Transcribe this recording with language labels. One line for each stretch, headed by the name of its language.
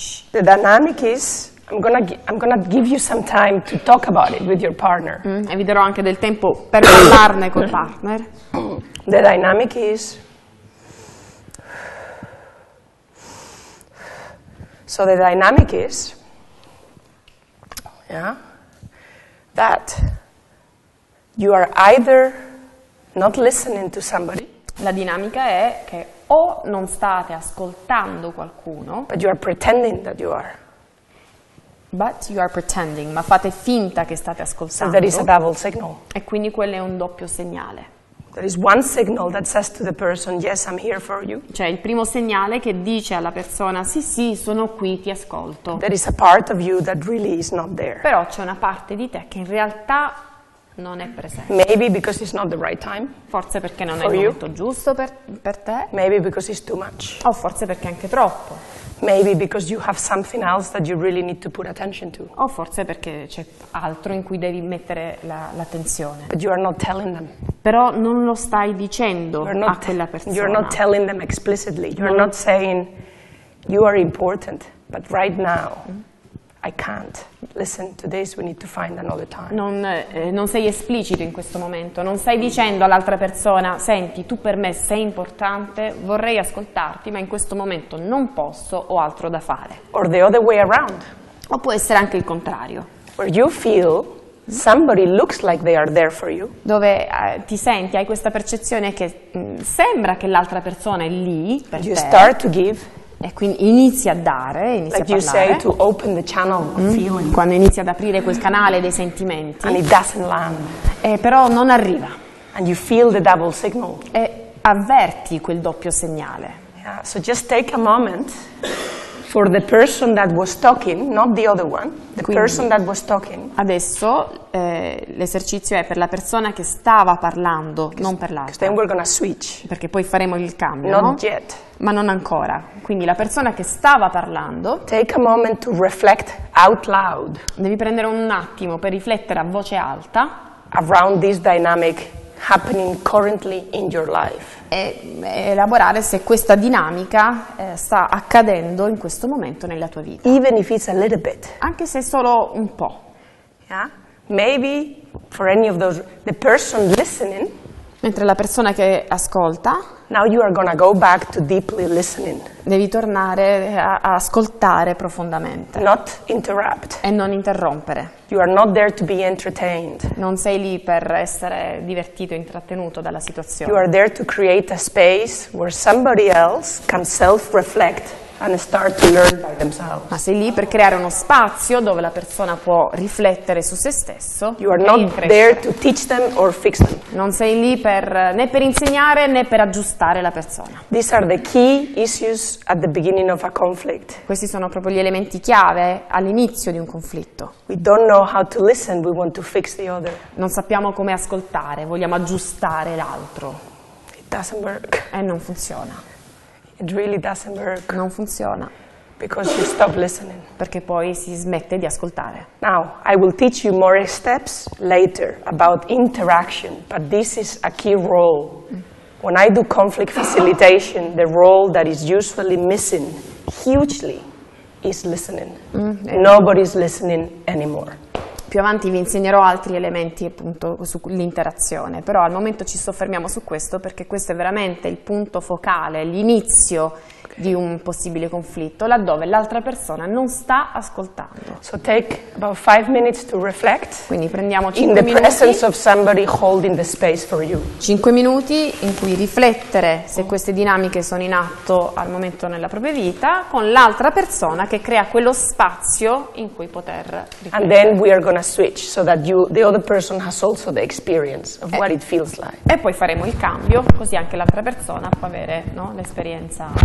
English: The dynamic is I'm gonna give you some time to talk about it with your partner.
Italian: E vi darò anche del tempo per parlarne col partner.
English: The dynamic is. So the dynamic is, yeah, that you are either not listening to somebody.
Italian: La dinamica è che o non state ascoltando qualcuno,
English: but you are pretending that you are. But you are pretending,
Italian: ma fate finta che state ascoltando.
English: So there is a double signal.
Italian: E quindi quello è un doppio segnale.
English: There is one signal that says to the person, yes, I'm here for you.
Italian: Cioè il primo segnale che dice alla persona, sì, sì, sono qui, ti ascolto.
English: There is a part of you that really is not there.
Italian: Però c'è una parte di te che in realtà non è presente.
English: Maybe because it's not the right time.
Italian: Forse perché non è il momento giusto per te.
English: Maybe because it's too much.
Italian: O forse perché è anche troppo.
English: Maybe because you have something else that you really need to put attention to.
Italian: O forse perché c'è altro in cui devi mettere l'attenzione.
English: But you are not telling them.
Italian: Però non lo stai dicendo a quella persona.
English: You are not telling them explicitly. You are not saying you are important, but right now I can't listen to this. We need to find another time.
Italian: Non sei esplicito in questo momento. Non stai dicendo all'altra persona: senti, tu per me sei importante. Vorrei ascoltarti, ma in questo momento non posso. Ho altro da fare.
English: Or the other way around.
Italian: O può essere anche il contrario.
English: Where you feel somebody looks like they are there for you.
Italian: Dove ti senti, hai questa percezione che sembra che l'altra persona è lì per
English: you You start to give.
Italian: E quindi inizi a dare, inizi
English: like
Italian: a parlare.
English: Say, to open the channel of feeling.
Italian: Quando inizi ad aprire quel canale dei sentimenti.
English: And it doesn't land.
Italian: Però non arriva.
English: And you feel the double signal.
Italian: E avverti quel doppio segnale.
English: Yeah. So just take a moment for the person that was talking, not the other one, the
Italian: quindi,
English: person that was talking.
Italian: Adesso l'esercizio è per la persona che stava parlando, non per l'altra.
English: Then we're gonna switch.
Italian: Perché poi faremo il cambio.
English: Not
Italian: no?
English: yet.
Italian: Ma non ancora. Quindi la persona che stava parlando.
English: Take a moment to reflect out loud.
Italian: Devi prendere un attimo per riflettere a voce alta.
English: Around this dynamic happening currently in your life.
Italian: E elaborare se questa dinamica sta accadendo in questo momento nella tua vita.
English: Even if it's a little bit.
Italian: Anche se solo un po'.
English: Yeah. Maybe for any of those the person listening.
Italian: Mentre la persona che ascolta.
English: Now you are gonna go back to deeply listening.
Italian: Devi tornare a ascoltare profondamente.
English: Not interrupt.
Italian: E non interrompere.
English: You are not there to be entertained.
Italian: Non sei lì per essere divertito, intrattenuto dalla situazione.
English: You are there to create a space where somebody else can self-reflect and start to learn by themselves.
Italian: Ma sei lì per creare uno spazio dove la persona può riflettere su se stesso.
English: You are not there to teach them or fix them.
Italian: Non sei lì per né per insegnare né per aggiustare la persona.
English: These are the key issues at the beginning of a conflict.
Italian: Questi sono proprio gli elementi chiave all'inizio di un conflitto.
English: We don't know how to listen, we want to fix the other.
Italian: Non sappiamo come ascoltare, vogliamo aggiustare l'altro.
English: It doesn't work.
Italian: E non funziona.
English: It really doesn't work.
Italian: Non funziona.
English: Because you stop listening.
Italian: Perché poi si smette di ascoltare.
English: Now, I will teach you more steps later about interaction, but this is a key role. When I do conflict facilitation, the role that is usually missing hugely is listening. Nobody's listening anymore.
Italian: Più avanti vi insegnerò altri elementi appunto sull'interazione, però al momento ci soffermiamo su questo perché questo è veramente il punto focale, l'inizio di un possibile conflitto, laddove l'altra persona non sta ascoltando.
English: So take about 5 minutes to reflect.
Italian: Quindi prendiamoci 5 minuti.
English: In the presence of somebody holding the space for you.
Italian: 5 minuti in cui riflettere se queste dinamiche sono in atto al momento nella propria vita con l'altra persona che crea quello spazio in cui poter riflettere.
English: And then we are gonna switch so that you, the other person, has also the experience of what it feels like.
Italian: E poi faremo il cambio così anche l'altra persona può avere no, l'esperienza.